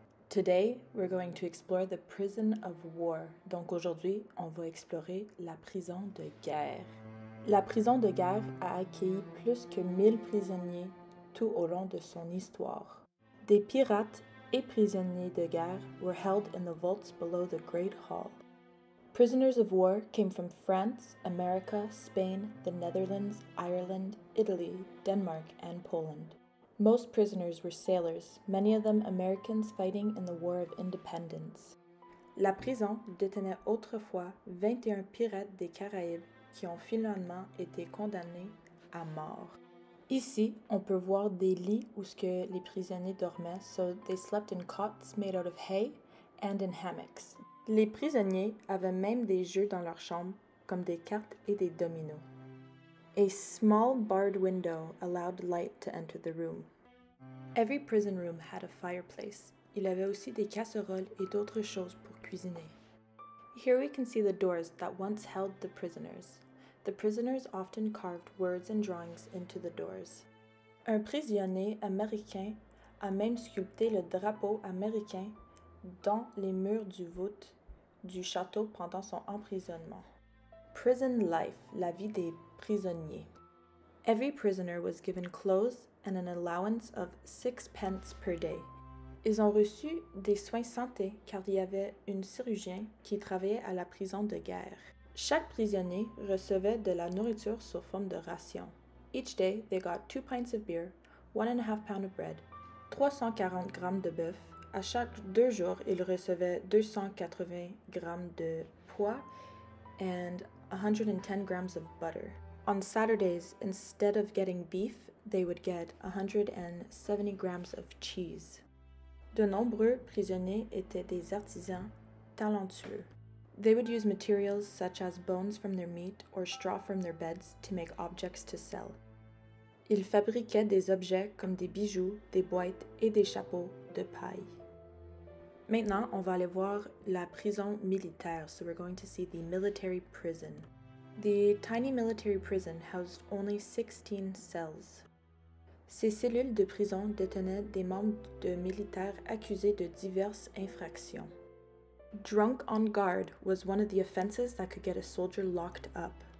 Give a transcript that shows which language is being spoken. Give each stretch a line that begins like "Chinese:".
English: Today, we're going to explore the prison of war.
French: Donc aujourd'hui, on va explorer la prison de guerre. La prison de guerre a accueilli plus que 1000 prisonniers tout au long de son histoire. Des pirates et prisonniers de guerre
English: were held in the vaults below the Great Hall. Prisoners of war came from France, America, Spain, the Netherlands, Ireland, Italy, Denmark, and Poland. Most prisoners were sailors, many of them Americans fighting in the War of Independence.
French: La prison détenait autrefois 21 pirates des Caraïbes qui ont finalement été condamnés à mort. Ici, on peut voir des lits où ce que les prisonniers dormaient,
English: so they slept in cots made out of hay and in hammocks.
French: Les prisonniers avaient même des jeux dans leur chambre, comme des cartes et des dominos.
English: A small barred window allowed light to enter the room. Every prison room had a fireplace.
French: Il avait aussi des casseroles et d'autres choses pour cuisiner.
English: Here we can see the doors that once held the prisoners. The prisoners often carved words and drawings into the doors.
French: Un prisonnier américain a même sculpté le drapeau américain dans les murs du voûte du château pendant son emprisonnement.
English: Prison life,
French: la vie des prisonniers.
English: Every prisoner was given clothes and an allowance of 6 pence per day.
French: Ils ont reçu des soins santé car il y avait une chirurgien qui travaillait à la prison de guerre. Chaque prisonnier recevait de la nourriture sous forme de ration.
English: Each day, they got 2 pints of beer, 1.5 pounds of bread, 340
French: grammes de bœuf. À chaque 2 jours, ils recevaient 280 grammes de pois
English: and 110 grams of butter. On Saturdays, instead of getting beef, they would get 170 grams of cheese.
French: De nombreux prisonniers étaient des artisans talentueux.
English: They would use materials such as bones from their meat or straw from their beds to make objects to sell.
French: Ils fabriquaient des objets comme des bijoux, des boîtes et des chapeaux de paille. Maintenant, on va aller voir la prison militaire,
English: so we're going to see the military prison. The tiny military prison housed only 16 cells.
French: Ces cellules de prison détenaient des membres de militaires accusés de diverses infractions.
English: Drunk on guard was one of the offenses that could get a soldier locked up.